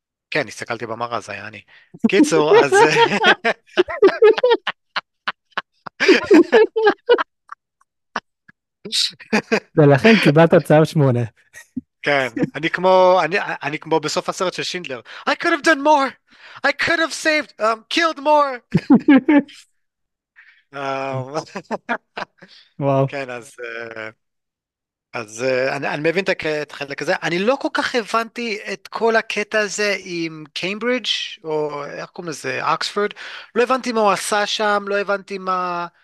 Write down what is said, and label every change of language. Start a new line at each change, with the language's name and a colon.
Hebrew: כן, הסתכלתי במראה, זה היה אני. קיצור, אז... ולכן קיבלת צו 8. כן, אני כמו בסוף הסרט של שינדלר.
English: I could have done more. I could have saved, killed more.
Hebrew: וואו. כן, אז אני מבין את החלק הזה. אני לא כל כך הבנתי את כל הקטע הזה עם קיימברידג', או איך קוראים לזה, אוקספורד. לא הבנתי מה הוא עשה שם, לא הבנתי מה...